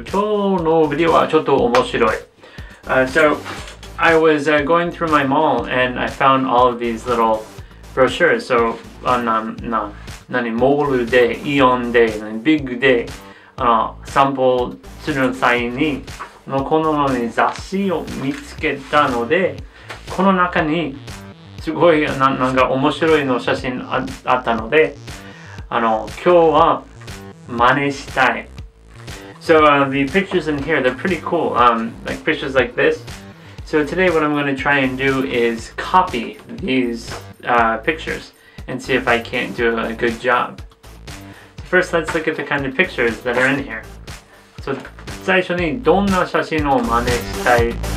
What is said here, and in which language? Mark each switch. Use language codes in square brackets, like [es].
[ja] 今日のビデオはちょっと面白い。 [en] I was going through my mall and I found all of these little brochures. [ja] So, モールで、イオンで、ビッグで、散歩する際に、このように雑誌を見つけたので、この中にすごい なんか面白いの写真あったので、今日は真似したい。 [en] So, the pictures in here, they're pretty cool. Like pictures like this. So today what I'm going to try and do is copy these pictures and see if I can't do a good job. First, let's look at the kind of pictures that are in here. [ja] So, 最初にどんな写真を真似したい?